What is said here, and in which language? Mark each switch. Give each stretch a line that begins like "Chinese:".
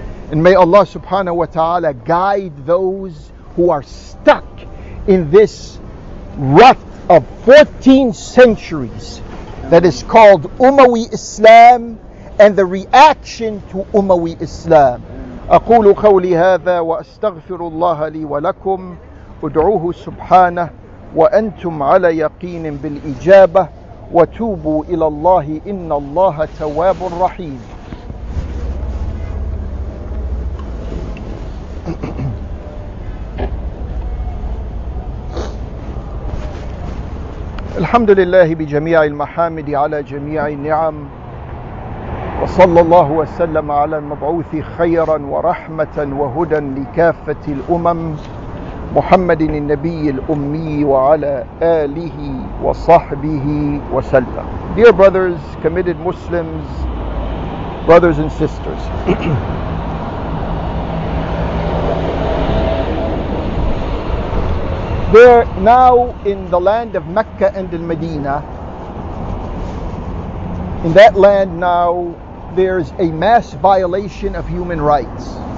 English: And may Allah subhanahu wa ta'ala guide those who are stuck in this rut of 14 centuries that is called Umayyad Islam and the reaction to Umayyad Islam.
Arabic: أقول قولي هذا وأستغفر الله لي ولكم أدعوه سبحانه وأنتم على يقين بالإجابة وتوبوا إلى الله إن الله تواب رحيم. الحمد لله بجميع المحامد على جميع النعم وصلى الله وسلم على المبعوث خيرا ورحمة وهدى لكافة الأمم محمد النبي الأمي وعلى آله وصحبه وسلم.
English: Dear brothers, committed Muslims, brothers and sisters, there now in the land of Mecca and Al-Medina, in that land now, there's a mass violation of human rights.